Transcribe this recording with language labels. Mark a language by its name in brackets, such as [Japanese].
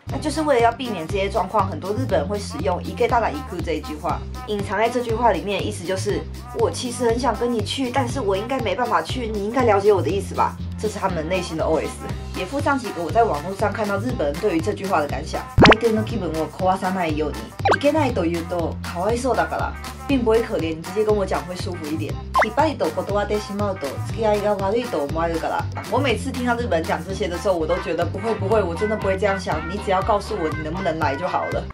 [Chinese] 那就是为了要避免这些状况，很多日本人会使用一个大大一哭这一句话。隐藏在这句话里面的意思就是，我其实很想跟你去，但是我应该没办法去，你应该了解我的意思吧。这是他们内心的 OS。也附上几个我在网络上看到日本人对于这句话的感想。 [Japanese] 相手の気分を壊さないように、いけないというとかわいそうだから， [Chinese] 并不会可怜，你直接跟我讲会舒服一点。 [Japanese] きっぱりと断ってしまうと付き合いが悪いと思われるから。 [Chinese] 我每次听到日本讲这些的时候，我都觉得不会不会，我真的不会这样想，你只要告诉我你能不能来就好了。